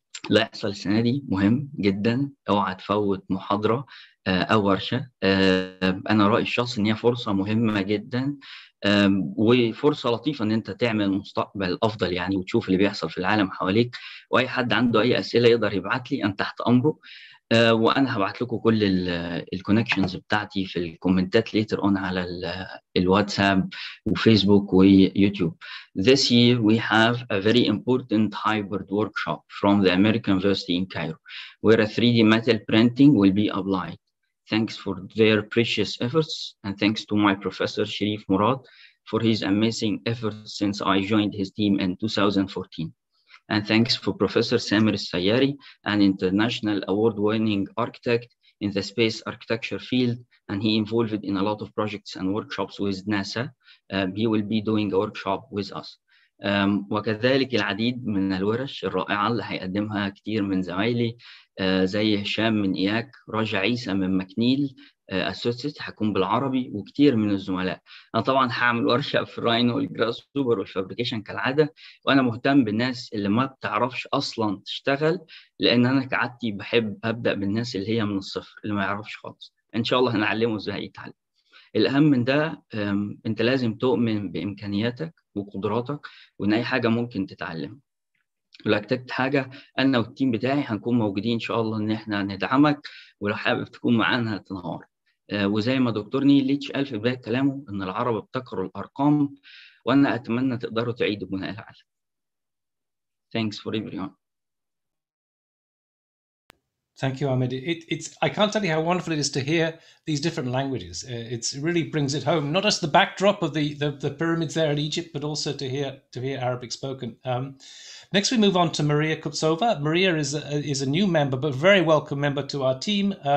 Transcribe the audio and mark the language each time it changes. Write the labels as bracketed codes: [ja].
[ar] لا يحصل السنة دي مهم جدا اوعى تفوت محاضرة او ورشة انا رأيي الشخصي ان هي فرصة مهمة جدا وفرصة لطيفة ان انت تعمل مستقبل افضل يعني وتشوف اللي بيحصل في العالم حواليك واي حد عنده اي اسئلة يقدر يبعت لي انا تحت امره وانا هبعت لكم كل الكونكشنز بتاعتي في الكومنتات [en] later on [ar] على الواتساب وفيسبوك ويوتيوب. [en] This year we have a very important hybrid workshop from the American University in Cairo where a 3D metal printing will be applied. Thanks for their precious efforts and thanks to my professor Sharif Murad for his amazing efforts since I joined his team in 2014. And thanks for Professor Samir Sayari, an international award-winning architect in the space architecture field. And he involved in a lot of projects and workshops with NASA. He will be doing a workshop with us. [ar] وكذلك العديد من الورش الرائعة اللي هيقدمها كتير من زمايلي زي هشام من إياك راجع عيسى من مكنيل أسوسيت هكون بالعربي وكتير من الزملاء أنا طبعا هعمل ورشة في الراينو والجراس سوبر والفابريكيشن كالعادة وأنا مهتم بالناس اللي ما بتعرفش أصلا تشتغل لأن أنا كعادتي بحب أبدأ بالناس اللي هي من الصفر اللي ما يعرفش خالص إن شاء الله هنعلمه إزاي يتعلم الأهم من ده أنت لازم تؤمن بإمكانياتك وقدراتك وإن أي حاجة ممكن تتعلم ولو اكتبت حاجة أنا والتيم بتاعي هنكون موجودين إن شاء الله إن إحنا ندعمك ولو حابب تكون معانا تنهار وزي ما دكتور نيل ليتش قال في بداية كلامه إن العرب ابتكروا الأرقام وأنا أتمنى تقدروا تعيدوا بناء العالم [en] Thanks for everyone. Thank you, Ahmed. I can't tell you how wonderful it is to hear these different languages. It's, it really brings it home, not just the backdrop of the pyramids there in Egypt, but also to hear Arabic spoken. Next, we move on to Maria Kutsova. Maria is a new member, but very welcome member to our team.